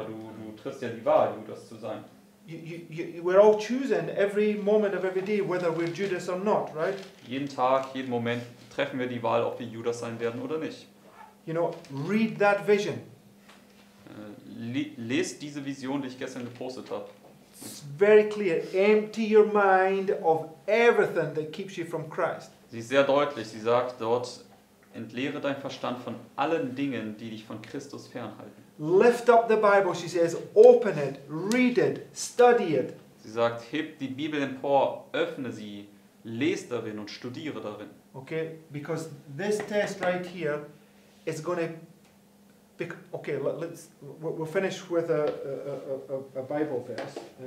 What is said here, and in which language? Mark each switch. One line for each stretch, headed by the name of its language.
German: Aber du triffst ja die Wahl, Judas zu sein.
English: We're all choosing every moment of every day whether we're Judas or not, right?
German: Jeden Tag, jeden Moment treffen wir die Wahl, ob wir Judas sein werden oder nicht.
English: You know, read that vision.
German: Lest diese Vision, die ich gestern gepostet habe.
English: It's very clear. Empty your mind of everything that keeps you from Christ.
German: Sie ist sehr deutlich. Sie sagt dort, entleere dein Verstand von allen Dingen, die dich von Christus fernhalten.
English: Lift up the Bible, she says. Open it, read it, study it.
German: Sie sagt, heb die Bibel empor, öffne sie, lest darin und studiere darin.
English: Okay, because this test right here is going to okay, we'll finish with a Bible verse.